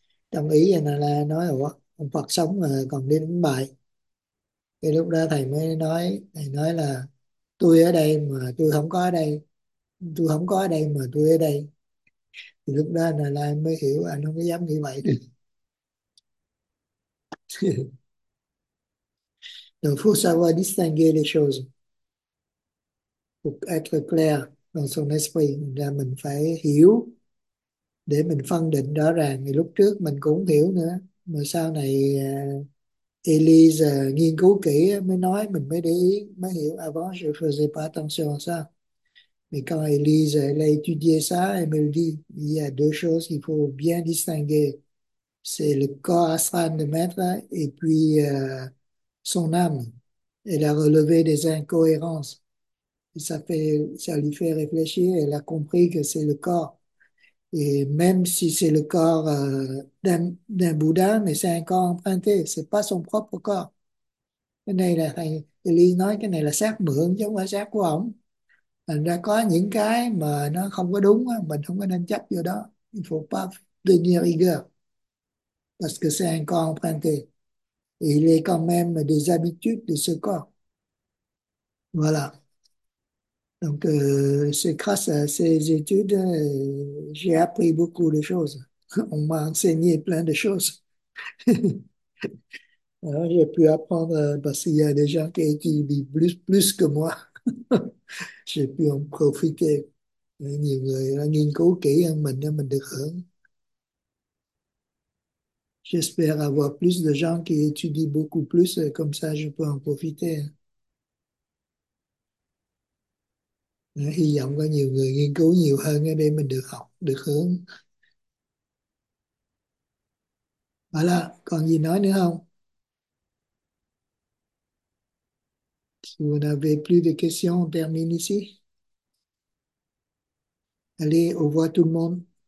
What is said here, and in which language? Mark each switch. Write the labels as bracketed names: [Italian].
[Vietnamese] Trong ý là nói ủa ông Phật sống mà còn đi đánh bài. Thì lúc đó thầy mới nói, thầy nói là tôi ở đây mà tôi không có ở đây, tôi không có ở đây mà tôi ở đây. Thì lúc đó là mới hiểu anh không có dám nghĩ vậy được. [French] Donc, faut savoir distinguer les choses pour être clair dans son esprit. [Vietnamese] Là mình phải hiểu để mình phân định rõ ràng. Thì lúc trước mình cũng hiểu nữa, mà sau này Elise nghiên cứu kỹ mới nói, mình mới để ý, mới hiểu. [French] Avant, je faisais pas attention à ça. Mais quand Elise elle a étudié ça, elle me dit, il y a deux choses qu'il faut bien distinguer. C'est le corps astral de maître et puis son âme. Elle a relevé des incohérences. Et ça lui fait réfléchir. Elle a compris que c'est le corps. Et même si c'est le corps d'un Bouddha, mais c'est un corps emprunté. Ce n'est pas son propre corps. [Vietnamese] Cái này là thầy, lui nói cái này là xác mượn chứ không phải xác của ổng. Thành ra có những cái mà nó không có đúng, mình không có nên chấp vô đó. [French] Il faut pas tenir rigueur. Parce que c'est un corps emprunté. Et il est quand même des habitudes de ce corps. Voilà. Donc, c'est grâce à ces études, j'ai appris beaucoup de choses. On m'a enseigné plein de choses. Alors, j'ai pu apprendre parce qu'il y a des gens qui étudient plus que moi. J'ai pu en profiter. [Vietnamese] Nhiều người nghiên cứu kỹ hơn mình được hưởng. [French] J'espère avoir plus de gens qui étudient beaucoup plus, comme ça je peux en profiter. [Vietnamese] Hy vọng có nhiều người nghiên cứu nhiều hơn để mình được học, được hướng. Bà là, còn gì nói nữa không? [French] Si vous n'avez plus de questions, on termine ici. Allez, au revoir tout le monde.